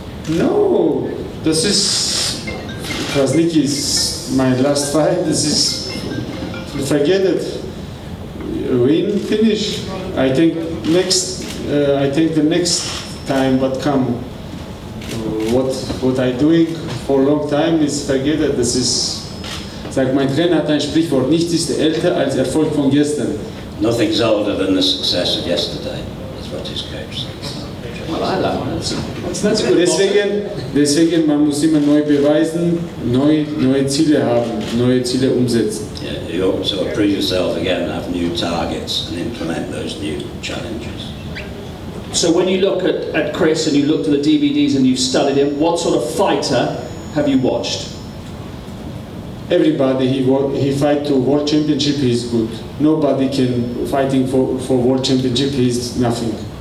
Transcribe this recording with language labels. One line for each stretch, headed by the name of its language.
English: No, this is Krasniqi's my last fight. This is, forget it. Win, finish. I think the next time what come, what I doing for a long time is forget it. This is.
German: Sag, mein Trainer hat ein Sprichwort, nichts ist älter als Erfolg von gestern.
English: Nothing's older than the success of yesterday, is what his coach says. Well, I like that. That's good.
German: Deswegen, man muss immer neu beweisen, neue Ziele haben, neue Ziele umsetzen.
English: Yeah, you ought to prove yourself again, have new targets and implement those new challenges. So when you look at Chris and you looked at the DVDs and you've studied him, what sort of fighter have you watched? Everybody he fight to world championship, he's good. Nobody can fighting for world championship, he's nothing.